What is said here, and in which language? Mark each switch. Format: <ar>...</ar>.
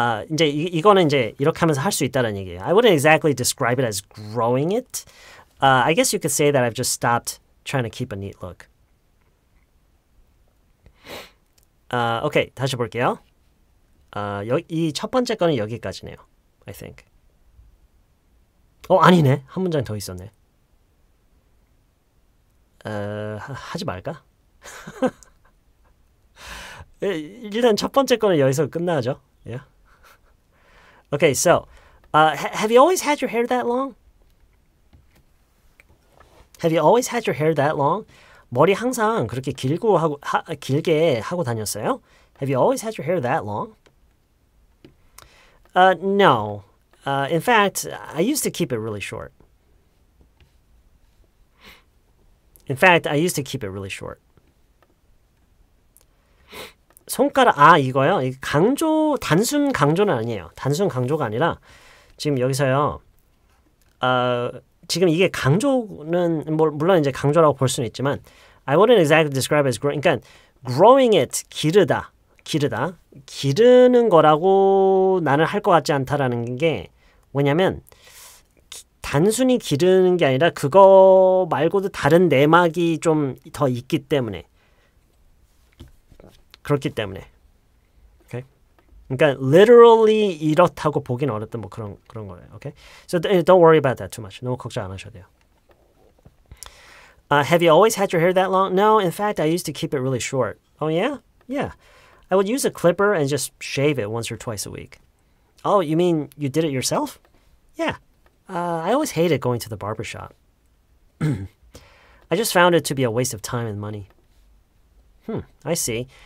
<ko>이제 이거는 이제 이렇게 하면서 할 수 있다는 얘기예요.</ko> <en>I wouldn't exactly describe it as growing it. I guess you could say that I've just stopped trying to keep a neat look.</en> <ko>Okay, 다시 볼게요. 이 첫 번째 거는 여기까지네요.</ko> <en>I think.</en> <ko>아니네. 한 문장 더 있었네. 하지 말까? 일단 첫 번째 거는 여기서 끝나죠.</ko> <en>Yeah. Okay, so have you always had your hair that long? Have you always had your hair that long?</en> <ko>머리 항상 그렇게 길게 하고 다녔어요?</ko> <en>Have you always had your hair that long? No. In fact, I used to keep it really short. In fact, I used to keep it really short.</en> <ko>손가락 이거요. 강조 단순 강조는 아니에요. 단순 강조가 아니라 지금 여기서요. 지금 이게 강조는 물론 이제 강조라고 볼 수는 있지만</ko> <en>I wouldn't exactly describe as growing.</en> <ko>그러니까 growing it 기르다 기르는 거라고 나는 할 것 같지 않다라는 게 뭐냐면 단순히 기르는 게 아니라 그거 말고도 다른 내막이 좀 더 있기 때문에. 그렇기 때문에, okay? 그러니까 literally 이렇다고 보긴 어렵던 뭐 그런 거예요, okay?</ko> <en>So don't worry about that too much.</en> <ko>너무 걱정 안 하셔도 돼요.</ko> <en>Have you always had your hair that long? No, in fact, I used to keep it really short. Oh yeah, yeah. I would use a clipper and just shave it once or twice a week. Oh, you mean you did it yourself? Yeah. I always hated going to the barber shop. I just found it to be a waste of time and money. I see.</en>